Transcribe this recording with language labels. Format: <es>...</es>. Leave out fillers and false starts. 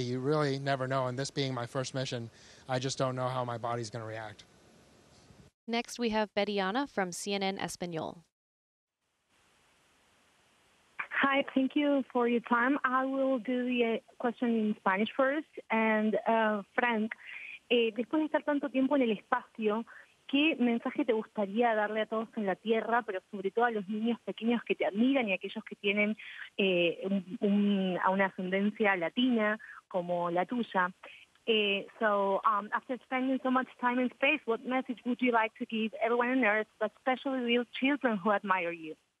<en>You really never know. And this being my first mission, I just don't know how my body's going to react. Next, we have Betiana from CNN Espanol. Hi, thank you for your time. I will do the question in Spanish first. And</en> <es>Frank, después de estar tanto tiempo en el espacio, ¿qué mensaje te gustaría darle a todos en la Tierra, pero sobre todo a los niños pequeños que te admiran y aquellos que tienen una ascendencia latina como la tuya?</es> <en>After spending so much time in space, what message would you like to give everyone on Earth, but especially real children who admire you?</en>